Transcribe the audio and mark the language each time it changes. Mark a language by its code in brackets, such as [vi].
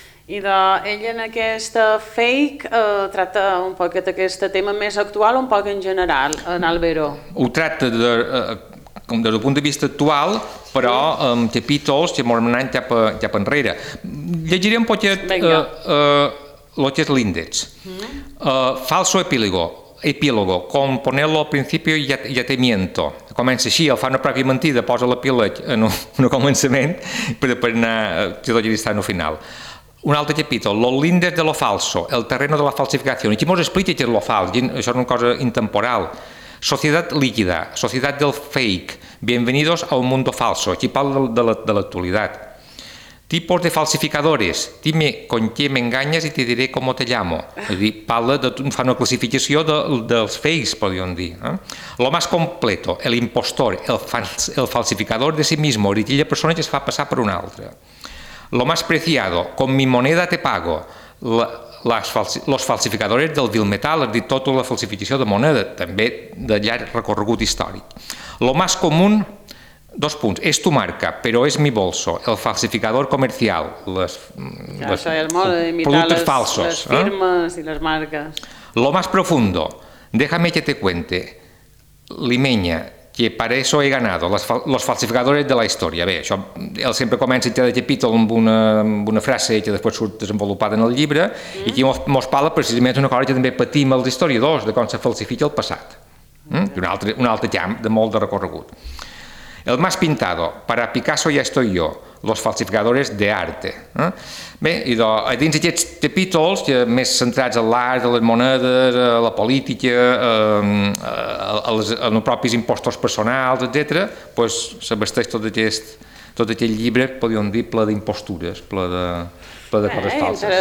[ca] Idò, ell en aquesta fake tracta un poquet aquest tema més actual, un poc en general, en Albero? Ho tracta des del punt de vista actual, però sí. Amb capítols que m'han anat cap enrere. Llegiré un poquet el que és l'índex. [es] Falso epílogo, com ponerlo al principio ya te miento. [ca] Comença així, el fa una pròpia mentida, posa l'epíleg en un començament per anar tot i estar al final. Un altre capítol, [es] lo lindes de lo falso, el terreno de la falsificació. [ca] I qui mos explica què és lo fals? Això és una cosa intemporal. Societat líquida, societat del fake, [es] bienvenidos a un mundo falso. [ca] Aquí parla de l'actualitat. [es] Tipos de falsificadores, dime con qué me engañas y te diré cómo te llamo. [ca] És a dir, parla de, fa una classificació dels fakes, podríem dir. [es] Lo más completo, el impostor, el falsificador de sí mismo, [ca] és a dir, aquella persona que es fa passar per una altra. [es] Lo más preciado, con mi moneda te pago, los falsificadores del vil metal, [ca] és a dir, tota la falsificació de moneda, també de llarg recorregut històric. [es] Lo más común, dos punts, es tu marca, pero es mi bolso, el falsificador comercial, productos falsos. [ca] Les firmes i les marques. [es] Lo más profundo, déjame que te cuente, limeña, [ca] que per això [es] he ganado, los falsificadores de la [ca] història. Bé, això, ell sempre comença cada capítol amb una frase que després surt desenvolupada en el llibre, i aquí mos parla precisament una cosa que també patim els historiadors, de com se falsifica el passat. Un altre camp de molt de recorregut. [es] El más pintado, para Picasso ya estoy yo, los falsificadores de arte. [ca] Bé, idò, a dins d'aquests capítols, més centrats en l'art, en les monedes, en la política, en els propis impostos personals, etc., doncs s'abasteix tot aquest llibre, podríem dir, ple d'impostures, ple de coses falses.